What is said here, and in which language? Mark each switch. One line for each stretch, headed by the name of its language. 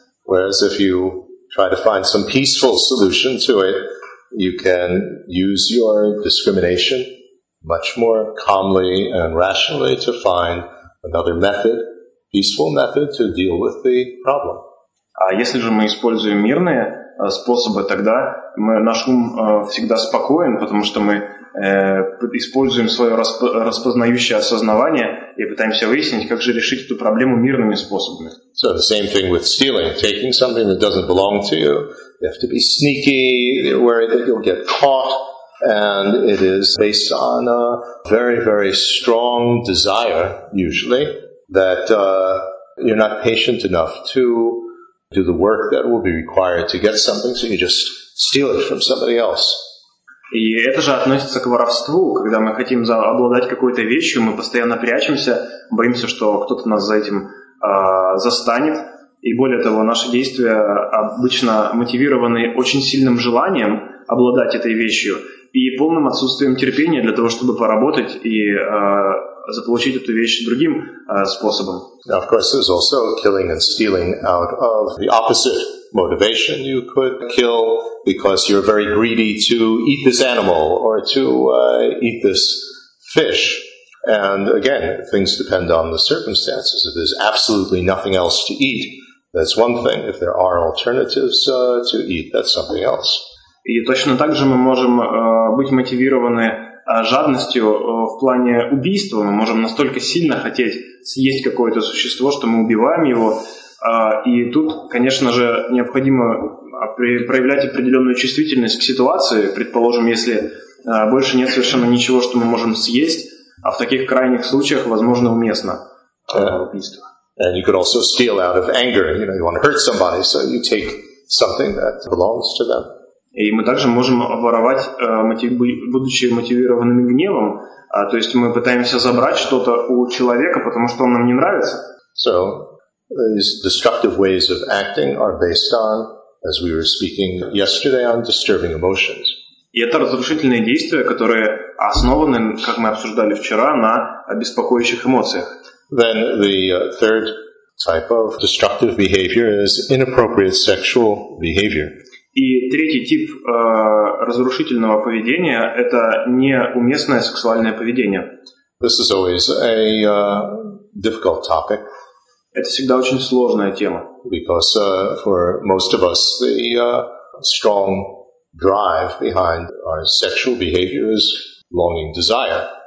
English: Whereas if you try to find some peaceful solution to it, you can use your discrimination much more calmly and rationally to find another method, peaceful method to deal with the problem.
Russian: А если же мы используем мирные способы, тогда наш ум всегда спокоен, потому что мы используем свое распознающее осознавание и пытаемся выяснить, как же решить эту проблему мирными способами.
English: So the same thing with stealing, taking something that doesn't belong to you. You have to be sneaky, you're worried that you'll get caught, and it is based on a very, very strong desire, usually, that you're not patient enough to do the work that will be required to get something, so you just steal it from somebody else.
Russian: И это же относится к воровству, когда мы хотим обладать какой-то вещью, мы постоянно прячемся, боимся, что кто-то нас за этим застанет. И более того, наши действия обычно мотивированы очень сильным желанием обладать этой вещью и полным отсутствием терпения для того, чтобы поработать и заполучить эту вещь другим способом.
English: Now, of course, there's also killing and stealing out of the opposite motivation. You could kill because you're very greedy to eat this animal or to eat this fish. And again, things depend on the circumstances. If there's absolutely nothing else to eat, that's one thing. If there are alternatives to eat, that's something else.
Russian: И точно так же мы можем быть мотивированы жадностью в плане убийства. Мы можем настолько сильно хотеть съесть какое-то существо, что мы убиваем его. И тут, конечно же, необходимо проявлять определенную чувствительность к ситуации. Предположим, если больше нет совершенно ничего, что мы можем съесть, а в таких крайних случаях, возможно, уместно убийство.
English: And you could also steal out of anger. You know, you want to hurt somebody, so you take something that belongs to them.
Russian: И мы также можем воровать, будучи мотивированными гневом. То есть мы пытаемся забрать что-то у человека, потому что он нам не нравится.
English: So, these destructive ways of acting are based on, as we were speaking yesterday, on disturbing emotions.
Russian: И это разрушительные действия, которые основаны, как мы обсуждали вчера, на беспокоящих эмоциях.
English: Then the third type of destructive behavior is inappropriate sexual behavior.
Russian: И третий тип разрушительного поведения – это неуместное сексуальное поведение.
English: This is always a difficult topic.
Russian: Это всегда очень сложная тема.
English: Because for most of us, the strong drive behind our sexual behavior is longing desire.